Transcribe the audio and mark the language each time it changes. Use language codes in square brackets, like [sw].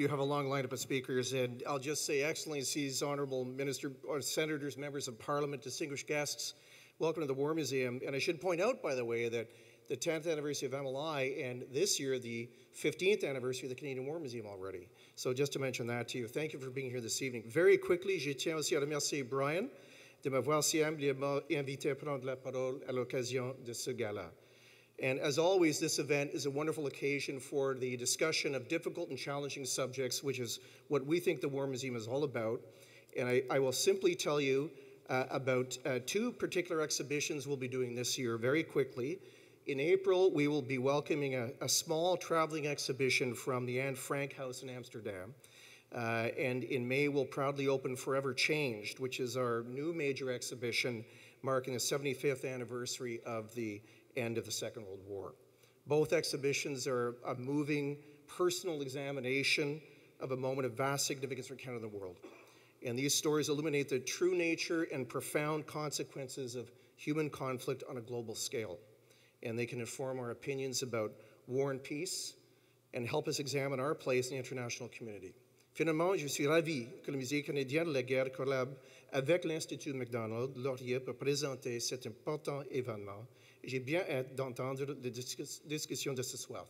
[en] You have a long lineup of speakers, and I'll just say, Excellencies, Honorable Minister, or Senators, Members of Parliament, distinguished guests, welcome to the War Museum. And I should point out, by the way, that the 10th anniversary of MLI, and this year the 15th anniversary of the Canadian War Museum already. So just to mention that to you. Thank you for being here this evening. Very quickly, [fr] je tiens aussi à remercier Brian de m'avoir si amplement invité à prendre la parole à l'occasion de ce gala. [en] And as always, this event is a wonderful occasion for the discussion of difficult and challenging subjects, which is what we think the War Museum is all about. And I will simply tell you about two particular exhibitions we'll be doing this year very quickly. In April, we will be welcoming a small traveling exhibition from the Anne Frank House in Amsterdam. And in May, we'll proudly open Forever Changed, which is our new major exhibition marking the 75th anniversary of the end of the Second World War. Both exhibitions are a moving, personal examination of a moment of vast significance for Canada and the world. And these stories illuminate the true nature and profound consequences of human conflict on a global scale. And they can inform our opinions about war and peace and help us examine our place in the international community. [fr] Finalement, je suis ravi que le Musée canadien de la guerre collabe avec l'Institut Macdonald-Laurier pour présenter cet important événement. J'ai bien hâte d'entendre la discussion de ce soir.